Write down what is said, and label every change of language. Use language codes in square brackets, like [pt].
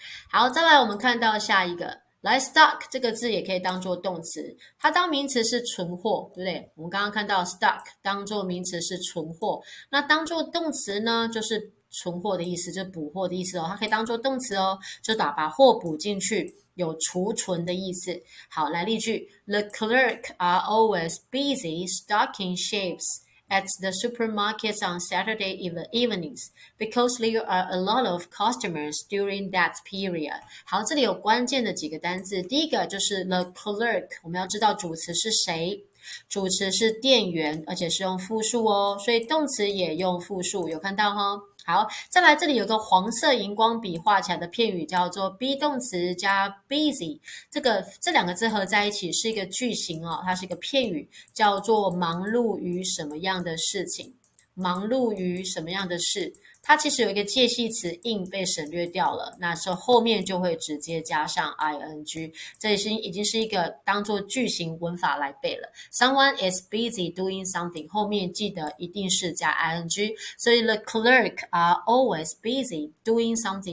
[zh] 好，再来我们看到下一个，livestock 这个字也可以当做动词，它当名词是存货，对不对？我们刚刚看到 stock 当做名词是存货，那当做动词呢，就是存货的意思，就补货的意思哦。它可以当做动词哦，就把货补进去。有储存的意思。好，来例句： [en] The clerk are always busy stocking shelves at the supermarkets on Saturday evenings because there are a lot of customers during that period。 [zh] 好，这里有关键的几个单字。第一个就是 the clerk，我们要知道主词是谁。主词是电源，而且是用复数哦，所以动词也用复数，有看到哈？好，再来，这里有个黄色荧光笔画起来的片语，叫做 be 动词加 busy。这两个字合在一起是一个句型哦，它是一个片语，叫做忙碌于什么样的事情？忙碌于什么样的事？它其实有一个介系词 in 被省略掉了，那时候后面就会直接加上 ing。这已经是一个当做句型文法来背了。 [en] Someone is busy doing something，后面记得一定是加 ing。 [zh] 所以 [en] the clerk are always busy doing something。